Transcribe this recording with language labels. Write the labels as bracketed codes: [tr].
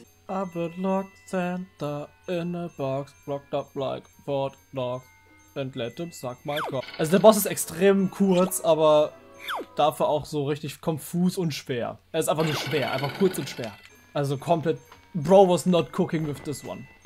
[en] I would lock Santa in a box, locked up like four dogs, and let him suck my cock. [de] Also der Boss ist extrem kurz, aber dafür auch so richtig konfus und schwer. Er ist einfach nur schwer, einfach kurz und schwer. Also komplett, [en] bro was not cooking with this one.